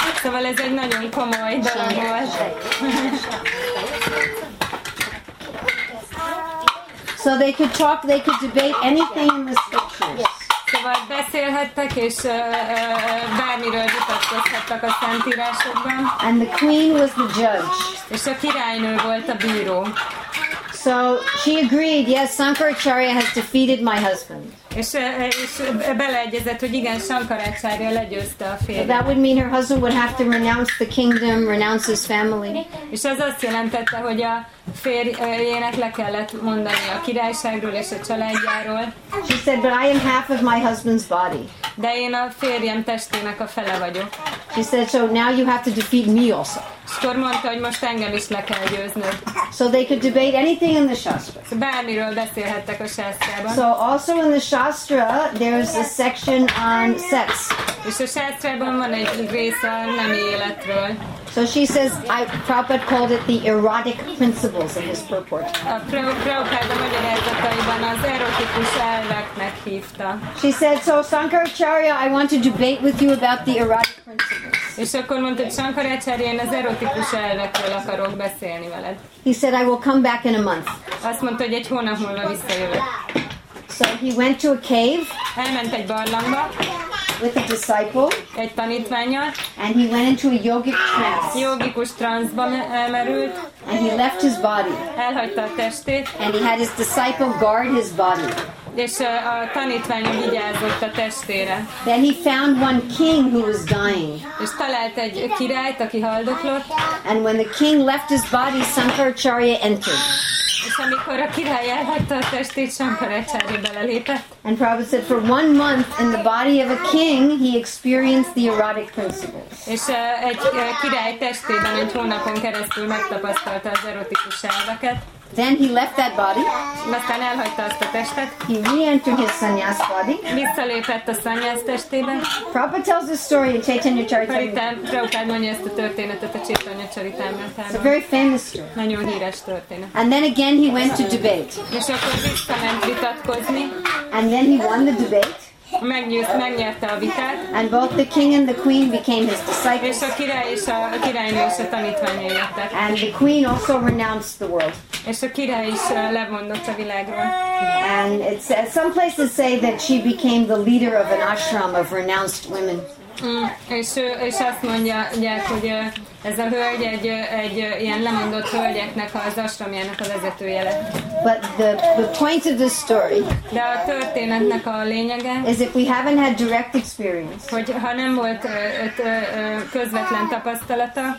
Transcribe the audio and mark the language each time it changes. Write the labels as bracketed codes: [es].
[en] So well, [hu] ez egy nagyon komoly dolog volt. [en] So they could debate anything in the scriptures. [hu] Szóval beszélhettek és bármiről vitatkozhattak a szentírásokban. [en] And the queen was the judge. [hu] És a királynő volt a bíró. [en] So she agreed, yes, Shankaracharya has defeated my husband. [hu] És beleegyezett, hogy igen, Shankaracharya legyőzte a férjét. [en] That would mean her husband would have to renounce the kingdom, renounce his family. [hu] És az azt jelentette, hogy a férjének le kellett mondani a királyságról és a családjáról. [en] She said, but I am half of my husband's body. [hu] De én a férjem testének a fele vagyok. [en] She said, so now you have to defeat me also. [hu] És akkor mondta, hogy most engem is le kell győznöd. [en] So they could debate anything in the Shastra. [hu] So bármiről beszélhettek a Shastrában. [en] So also in the Shastra, there's a section on sex. [hu] És a Shastrában van egy része a nemi életről. [en] So she says, Prabhupada called it the erotic principles in his purport. [hu] A Prabhupada magyarázataiban az erotikus elveknek hívta. [en] She said, so Shankaracharya, I want to debate with you about the erotic principles. [hu] És akkor mondta, Shankaracharya, én az erotikus elvekről akarok beszélni veled. [en] He said, I will come back in a month. [hu] Azt mondta, hogy egy hónap múlva visszajövök. [en] So he went to a cave. [hu] Elment egy barlangba. [en] With a disciple. [hu] Egy tanítványal. [en] And he went into a yogic trance. [hu] Yogikus transzba elmerült. [en] And he left his body. [hu] Elhagyta a testét. [en] And he had his disciple guard his body. [hu] És a tanítvány vigyázott a testére. [en] Then he found one king who was dying. [hu] És talált egy királyt, aki haldoklott. [en] And when the king left his body, Shankaracharya entered. [hu] És amikor a király elhagyta a testét, Shankara Acharya belelépett. [en] And Prabhupada said, for one month in the body of a king, he experienced the erotic principles. [hu] És egy király testében egy hónapon keresztül megtapasztalta az erotikus elveket. [en] Then he left that body. [hu] Aztán elhagyta azt a testet. [en] He re-entered his sannyas body. [hu] Visszalépett a sannyas testébe. [en] Prabhupada tells this story in Chaitanya Charitamrita. [hu] Prabhupada mondja ezt a történetet a Chaitanya Charitamritában. [en] It's a very famous story. [hu] Nagyon híres történet. [en] And then again he went to debate. [hu] És akkor visszament vitatkozni. [en] And then he won the debate. [hu] Megnyerte a vitát. [en] And both the king and the queen became his disciples. [hu] És a király és a királynő is a tanítványai lettek. [en] And the queen also renounced the world. [hu] És a király is lemondott a világról. [en] And it says, some places say that she became the leader of an ashram of renounced women. [hu] És azt mondják, hogy ez a hölgy egy ilyen lemondott hölgyeknek az ashramjának a vezetője lett. [en] But the point of this story, [hu] de a történetnek a lényege, [en] is if we haven't had direct experience, [hu] hogy ha nem volt közvetlen tapasztalata,